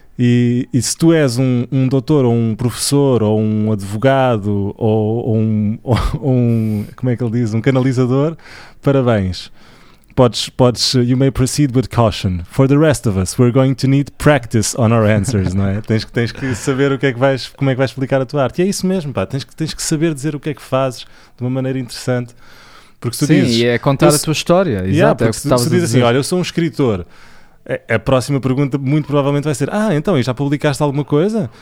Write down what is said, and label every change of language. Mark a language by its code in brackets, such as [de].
[pt] E se tu és um doutor, ou um professor, ou um advogado, ou um, como é que ele diz, um canalizador, parabéns. Podes, [en] you may proceed with caution. For the rest of us, we're going to need practice on our answers, [pt] não é? Tens que saber o que é que vais, como é que vais explicar a tua arte. E é isso mesmo, pá. Tens que saber dizer o que é que fazes de uma maneira interessante. Porque tu sim, dizes, e é contar a tua história. Exato, yeah, porque é o que se diz assim, olha, eu sou um escritor. A próxima pergunta muito provavelmente vai ser, ah, então, e já publicaste alguma coisa?